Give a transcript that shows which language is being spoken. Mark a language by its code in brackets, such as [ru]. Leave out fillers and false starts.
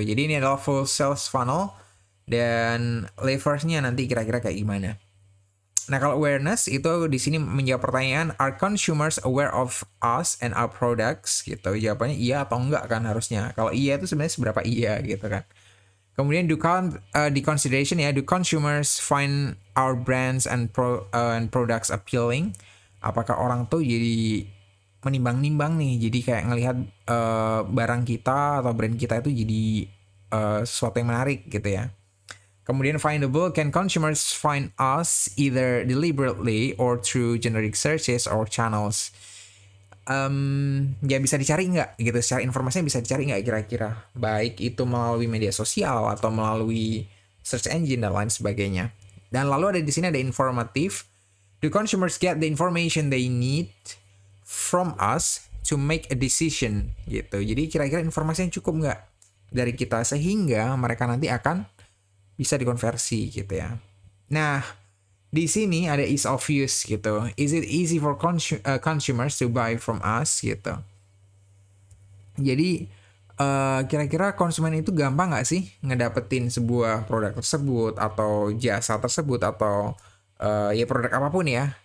[id] Jadi ini adalah full sales funnel dan levers-nya nanti kira-kira kayak gimana. Nah kalau awareness itu di sini menjawab pertanyaan, [en] are consumers aware of us and our products [id] gitu. Jawabannya iya atau enggak kan harusnya. Kalau iya itu sebenarnya seberapa iya gitu kan. Kemudian [en] do consideration ya, do consumers find our brands and products appealing. [id] Apakah orang tuh jadi menimbang-nimbang nih, jadi kayak ngelihat barang kita atau brand kita itu jadi sesuatu yang menarik gitu ya. Kemudian [en] findable, can consumers find us either deliberately or through generic searches or channels? [id] Ya bisa dicari nggak gitu, secara informasinya bisa dicari nggak kira-kira? Baik itu melalui media sosial atau melalui search engine dan lain sebagainya. Dan lalu ada di sini ada informatif. [en] Do consumers get the information they need from us to make a decision? [id] Gitu. Jadi kira-kira informasinya cukup nggak dari kita sehingga mereka nanti akan bisa dikonversi gitu ya. Nah, di sini ada [en] ease of use gitu. Is it easy for consumers to buy from us gitu. [id] Jadi, kira-kira konsumen itu gampang nggak sih ngedapetin sebuah produk tersebut atau jasa tersebut atau ya produk apapun ya.